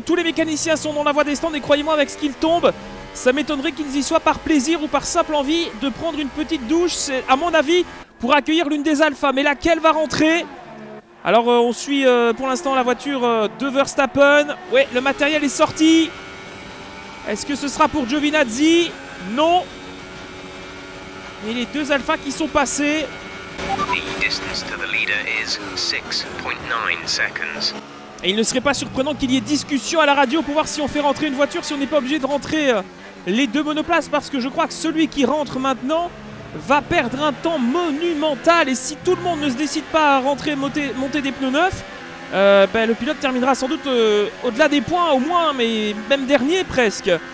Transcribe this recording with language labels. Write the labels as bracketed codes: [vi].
[fr] Tous les mécaniciens sont dans la voie des stands et croyez-moi, avec ce qu'ils tombent, ça m'étonnerait qu'ils y soient par plaisir ou par simple envie de prendre une petite douche, c'est, à mon avis, pour accueillir l'une des Alphas. Mais laquelle va rentrer? Alors, on suit pour l'instant la voiture de Verstappen. Ouais, le matériel est sorti. Est-ce que ce sera pour Giovinazzi? Non. Et les deux Alphas qui sont passés... [en] The distance to the leader is 6.9 seconds. [fr] Et il ne serait pas surprenant qu'il y ait discussion à la radio pour voir si on fait rentrer une voiture, si on n'est pas obligé de rentrer les deux monoplaces, parce que je crois que celui qui rentre maintenant va perdre un temps monumental. Et si tout le monde ne se décide pas à rentrer monter des pneus neufs, le pilote terminera sans doute au-delà des points, au moins, mais même dernier presque.